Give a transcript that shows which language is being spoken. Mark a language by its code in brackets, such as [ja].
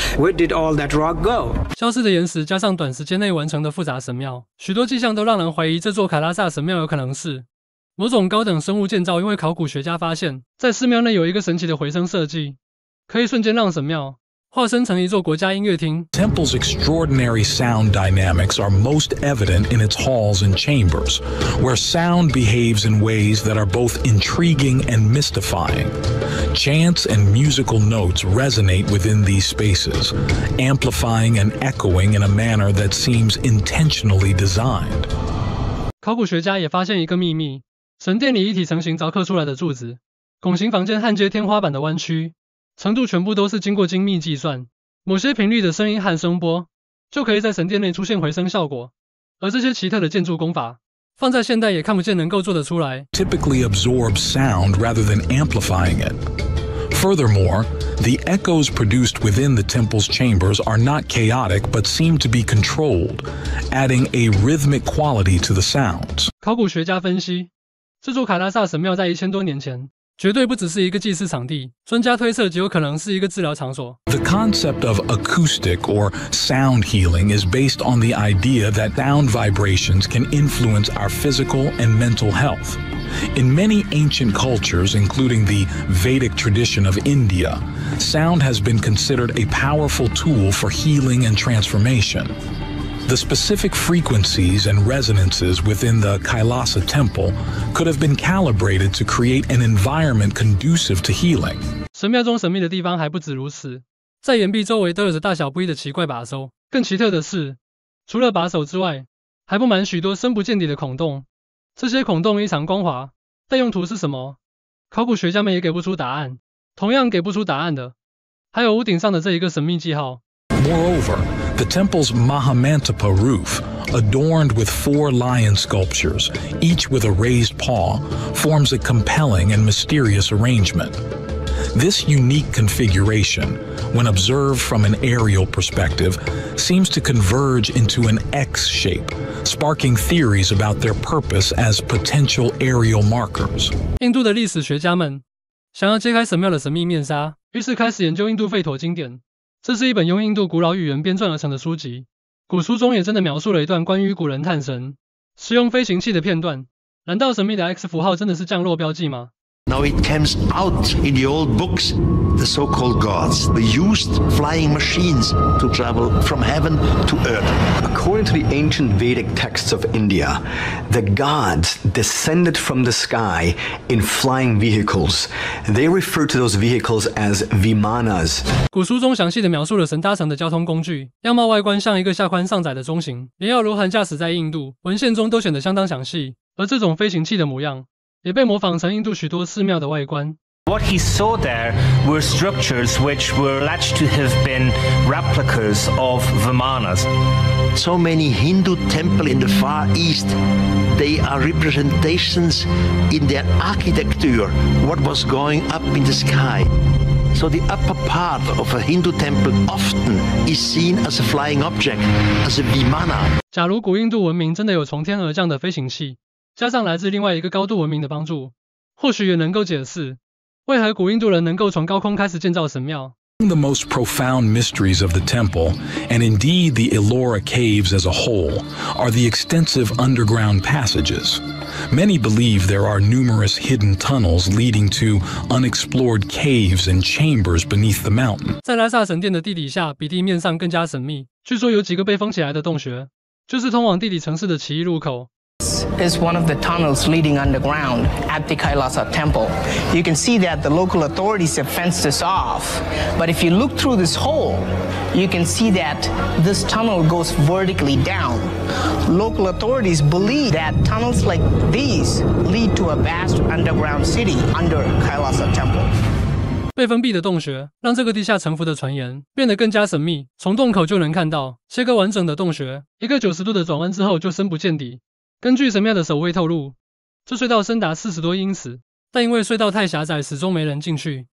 [en] Where did all that rock go? [zh] 消失的岩石加上短时间内完成的复杂神庙，许多迹象都让人怀疑这座卡拉萨神庙有可能是某种高等生物建造。因为考古学家发现，在寺庙内有一个神奇的回声设计，可以瞬间让神庙化身成一座国家音乐厅。 [en] Temple's extraordinary sound dynamics are most evident in its halls and chambers, where sound behaves in ways that are both intriguing and mystifying. Chants and musical notes resonate within these spaces, amplifying and echoing in a manner that seems intentionally designed. [zh] 考古学家也发现一个秘密：神殿里一体成型凿刻出来的柱子，拱形房间焊接天花板的弯曲。程度全部都是经过精密计算，某些频率的声音和声波就可以在神殿内出现回声效果。而这些奇特的建筑工法放在现代也看不见能够做得出来。 [en] Typically absorb sound rather than amplifying it. Furthermore, the echoes produced within the temple's chambers are not chaotic but seem to be controlled, adding a rhythmic quality to the sounds. [zh] 考古学家分析，这座卡拉萨神庙在1000多年前绝对不只是一个祭祀场地，专家推测极有可能是一个治疗场所。 [en] The concept of acoustic or sound healing is based on the idea that sound vibrations can influence our physical and mental health. In many ancient cultures, including the Vedic tradition of India, sound has been considered a powerful tool for healing and transformation. The specific frequencies and resonances within the Kailasa temple could have been calibrated to create an environment conducive to healing. [zh] 神庙中神秘的地方还不止如此，在岩壁周围都有着大小不一的奇怪把手。更奇特的是，除了把手之外，还布满许多深不见底的孔洞。这些孔洞异常光滑，但用途是什么？考古学家们也给不出答案。同样给不出答案的，还有屋顶上的这一个神秘记号。 [en] Moreover, the temple's Mahamantapa roof, adorned with four lion sculptures, each with a raised paw, forms a compelling and mysterious arrangement. This unique configuration, when observed from an aerial perspective, seems to converge into an X shape, sparking theories about their purpose as potential aerial markers. [zh] 印度的历史学家们想要揭开神庙的神秘面纱，于是开始研究印度吠陀经典。这是一本用印度古老语言编撰而成的书籍，古书中也真的描述了一段关于古人探神使用飞行器的片段。难道神秘的 X 符号真的是降落标记吗？ [en] Now it comes out in the old books, the so-called gods, the used flying machines to travel from heaven to earth. According to the ancient Vedic texts of India, the gods descended from the sky in flying vehicles. They refer to those vehicles as vimanas. [zh] 古书中详细地描述了神搭乘的交通工具，样貌外观像一个下宽上窄的中型，连要如何驾驶在印度文献中都显得相当详细。而这种飞行器的模样也被模仿成印度许多寺庙的外观。 [en] What he saw there were structures which were alleged to have been replicas of vimanas. So many Hindu temples in the Far East, they are representations in their architecture what was going up in the sky. So the upper part of a Hindu temple often is seen as a flying object, as a vimana. [zh] 假如古印度文明真的有从天而降的飞行器，加上来自另外一个高度文明的帮助，或许也能够解释为何古印度人能够从高空开始建造神庙。 [en] the most profound mysteries of the temple, and indeed the Ellora Caves as a whole, are the extensive underground passages. Many believe there are numerous hidden tunnels leading to unexplored caves and chambers beneath the mountain. [zh] 在拉萨神殿的地底下比地面上更加神秘，据说有几个被封起来的洞穴，就是通往地底城市的奇异入口。 [en] This is one of the tunnels leading underground at the Kailasa Temple. You can see that the local authorities have fenced this off. But if you look through this hole, you can see that this tunnel goes vertically down. Local authorities believe that tunnels like these lead to a vast underground city under Kailasa Temple. [zh] 被封闭的洞穴让这个地下沉浮的传言变得更加神秘。从洞口就能看到切割完整的洞穴，一个90度的转弯之后就深不见底。根据神庙的守卫透露，这隧道深达40多英尺，但因为隧道太狭窄，始终没人进去。